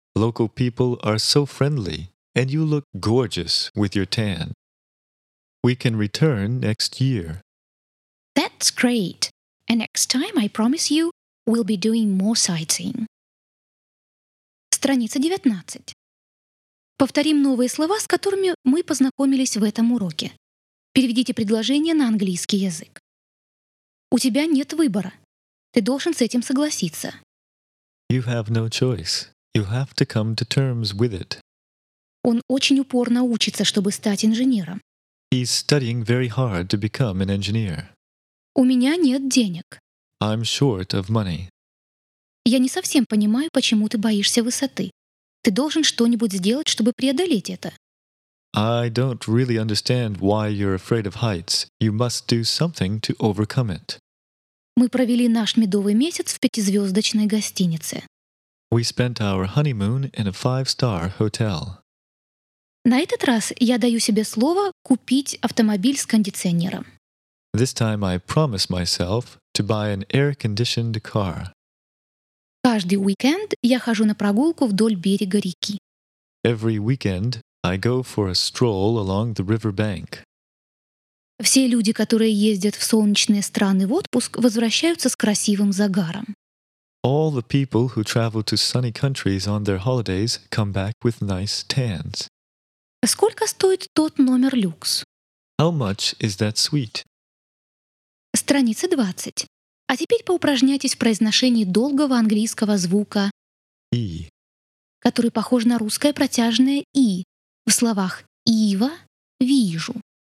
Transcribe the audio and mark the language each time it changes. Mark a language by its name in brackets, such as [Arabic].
[English] Local people are so friendly, and you look gorgeous with your tan. We can return next year. That's great. And next time, I promise you, we'll be doing more sightseeing. [Russian] Страница 19. Повторим новые слова, с которыми мы познакомились в этом уроке. Переведите предложение на английский язык. У тебя нет выбора. Ты должен с этим согласиться. [English] You have no choice. You have to come to terms with it. [Russian] Он очень упорно учится, чтобы стать инженером. [English] He's studying very hard to become an engineer. [Russian] У меня нет денег. [English] I'm short of money. [Russian] Я не совсем понимаю, почему ты боишься высоты. Ты должен что-нибудь сделать, чтобы преодолеть это. [English] I don't really understand why you're afraid of heights. You must do something to overcome it. [Russian] Мы провели наш медовый месяц в пятизвездочной гостинице. [English] We spent our honeymoon in a 5-star hotel. [Russian] На этот раз я даю себе слово купить автомобиль с кондиционером. [English] This time I promise myself to buy an air-conditioned car. [Russian] Каждый уикенд я хожу на прогулку вдоль берега реки. [English] Every weekend I go for a stroll along the river bank. [Russian] Все люди, которые ездят в солнечные страны в отпуск, возвращаются с красивым загаром. [English] All the people who travel to sunny countries on their holidays come back with nice tans. [Russian] Сколько стоит тот номер люкс? [English] How much is that suite? [Russian] Страница 20. А теперь поупражняйтесь в произношении долгого английского звука «и», который похож на русское протяжное «и» в словах «ива», «вижу».